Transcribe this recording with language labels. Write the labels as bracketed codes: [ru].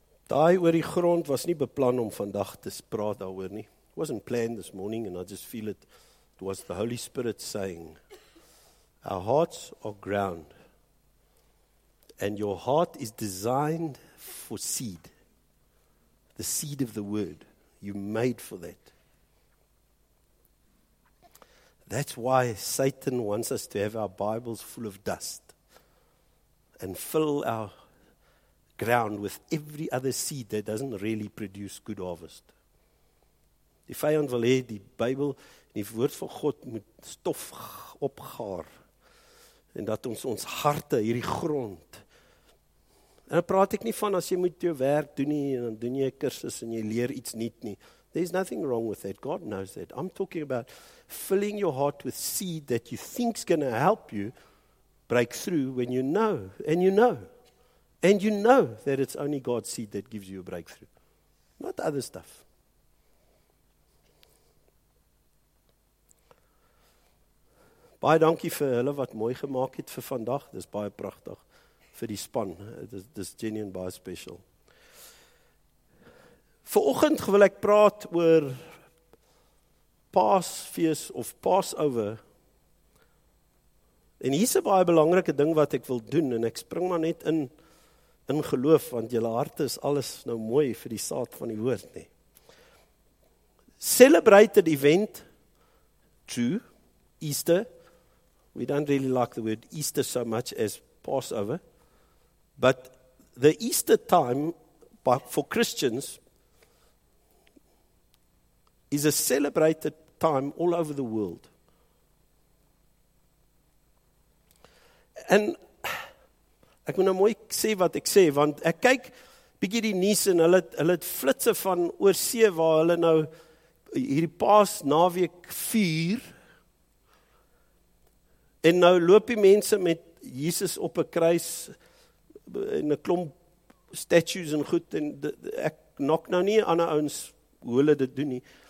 [af] Daai oor die grond was nie beplan om vandag te praat daaroor nie. [en] It wasn't planned this morning and I just feel it. It was the Holy Spirit saying, our hearts are ground and your heart is designed for seed. The seed of the word. You made for that. That's why Satan wants us to have our Bibles full of dust and fill our ground with every other seed that doesn't really produce good harvest. [af] Die vyand wil hê die Bybel, die woord van God moet stof opgaar en dat ons harte hierdie grond. En dan praat ek nie van as jy moet jou werk doen nie en dan doen jy 'n kursus en jy leer iets nuut nie. [en] There's nothing wrong with that. God knows that. I'm talking about filling your heart with seed that you think's going to help you break through when you know, and you know, and you know that it's only God's seed that gives you a breakthrough, not other stuff. [af] Baie dankie vir hulle wat mooi gemaak het vir vandag. Dis baie pragtig vir die span. Dis genuine baie special. Vanoggend wil ek praat oor Paasfees of Passover. En hier is 'n baie belangrike ding wat ek wil doen en ek spring maar net in geloof want julle harte is alles nou mooi vir die saad van die woord nie. [en] Celebrate the event to Easter. We don't really like the word Easter so much as Passover. But the Easter time for Christians is a celebrated time all over the world. [af] And ek moet nou mooi sê wat ek sê, want ek kyk bietjie die nuus en hulle het flitse van oor see waar hulle nou hierdie paas naweek vier. En nou loop die mense met Jesus op 'n kruis en 'n klomp statues en goed en ek knok nou nie aan 'n ouens hoe hulle dit doen nie.